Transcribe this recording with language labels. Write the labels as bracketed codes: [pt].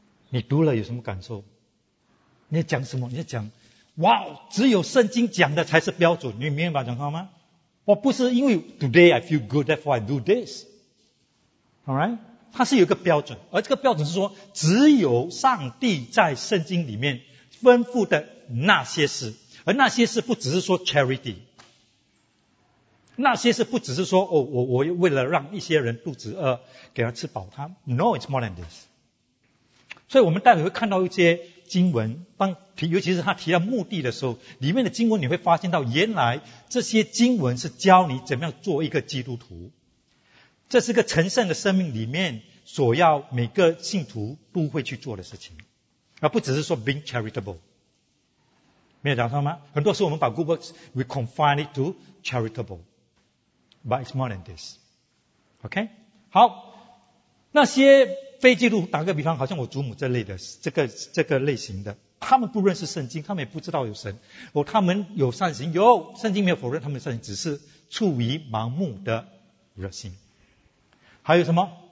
[zh] 你读了有什么感受？你在讲什么？你在讲？哇、wow, 只有圣经讲的才是标准，你明白讲话吗？我不是因为 [en] today I feel good, therefore I do this. Alright? [zh] 它是有一个标准，而这个标准是说只有上帝在圣经里面吩咐的那些事，而那些事不只是说 charity, 那些事不只是说、哦、我为了让一些人肚子饿给他吃饱他。 [en] No, it's more than this. [zh] 所以我们待会会看到一些经文，尤其是他提到目的的时候，里面的经文你会发现到，原来这些经文是教你怎么样做一个基督徒。这是个成圣的生命里面所要每个信徒都会去做的事情，而不只是说 [en] being charitable。 [zh] 没有讲错吗？很多时候我们把 [en] good works we confine it to charitable, but it's more than this. OK, [zh] 好，那些非基督徒，打个比方，好像我祖母这类的，这个类型的，他们不认识圣经，他们也不知道有神，他们有善行，有圣经没有否认他们的善行，只是处于盲目的热心。还有什么？